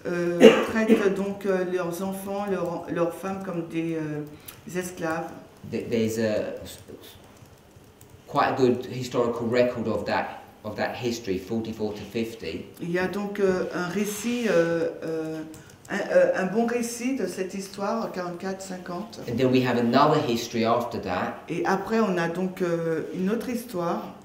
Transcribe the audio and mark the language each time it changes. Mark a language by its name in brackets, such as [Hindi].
[French] Traitent donc leurs enfants, leurs femmes comme des esclaves. [English] There's a quite a good historical record of that. Of that history, 44 to 50. [French] Il y a donc un récit, un bon récit de cette histoire, 44-50. [English] And then we have another history after that. [French] Et après, on a donc une autre histoire.